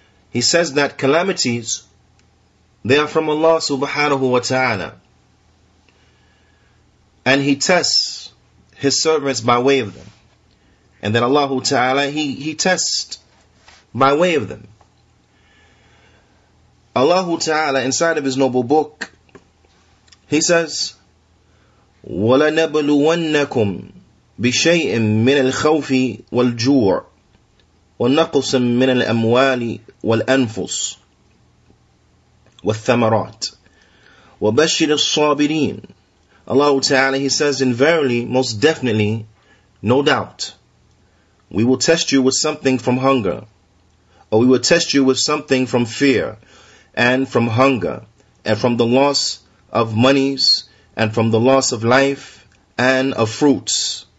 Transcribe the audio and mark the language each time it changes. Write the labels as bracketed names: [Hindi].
[English] He says that calamities, they are from Allah subhanahu wa ta'ala, and he tests his servants by way of them, and that Allah ta'ala, he tests by way of them. Allah Ta'ala, inside of his noble book, he says, [Arabic] وَلَنَبْلُوَنَّكُمْ بِشَيْءٍ مِّنَ الْخَوْفِ وَالْجُوعِ وَالنَّقْصٍ مِّنَ الْأَمْوَالِ وَالْأَنفُسِ وَالثَّمَرَاتِ وَبَشِّرِ الصَّابِرِينَ. [English] Allah Ta'ala, he says, and verily, most definitely, no doubt, we will test you with something from hunger, or we will test you with something from fear, and from hunger, and from the loss of monies, and from the loss of life, and of fruits.